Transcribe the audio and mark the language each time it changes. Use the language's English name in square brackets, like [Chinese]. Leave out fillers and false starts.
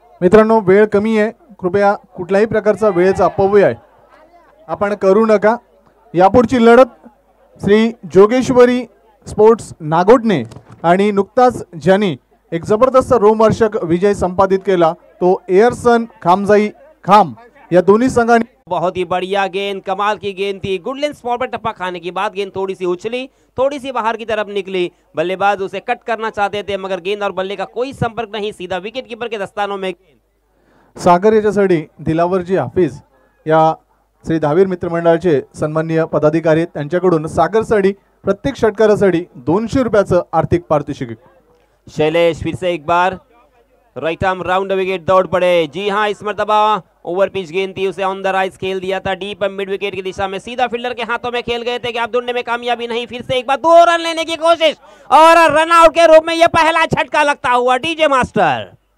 [Marathi] मित्रांनो, वेळ कमी आहे, कृपया कुठल्याही प्रकारचा वेळेचा अपव्यय आहे आपण करू नका. यापुढची लढत श्री जोगेश्वरी स्पोर्ट्स नागोटणे, आणि नुकताच ज्यांनी एक जबरदस्त रोमहर्षक विजय संपादित केला तो एअरसन खामजाई खाम या दोन्ही संघांनी. [Hindi] बहुत ही बढ़िया गेंद, कमाल की गेंद थी, गुड लेंथ स्पॉट पर टप्पा खाने की बात, गेंद थोड़ी सी उछली, थोड़ी सी बाहर की तरफ निकली, बल्लेबाज उसे कट करना चाहते थे मगर गेंद और बल्ले का कोई संपर्क नहीं, सीधा विकेट कीपर के दस्तानों में. [Marathi] सागर याच्यासाठी दिलावर जी हाफिज या श्री धावीर मित्र मंडळाचे सन्माननीय पदाधिकारी, त्यांच्याकडून सागरसाठी प्रत्येक षटकारासाठी 200 रुपयाचं आर्थिक पारितोषिक. [Hindi] शैलेश फिरसे एक बार राइट आर्म राउंड विकेट दौड़ पड़े, जी हाँ इस मरतबा ओवर पिच गेंद थी, उसे ऑन द राइज खेल दिया था डीप मिड विकेट की दिशा में, सीधा फील्डर के हाथों में खेल गए थे कि आप ढूंढने में कामयाबी नहीं. फिर से एक बार 2 रन लेने की कोशिश और रन आउट के रूप में यह पहला छटका लगता हुआ डीजे मास्टर.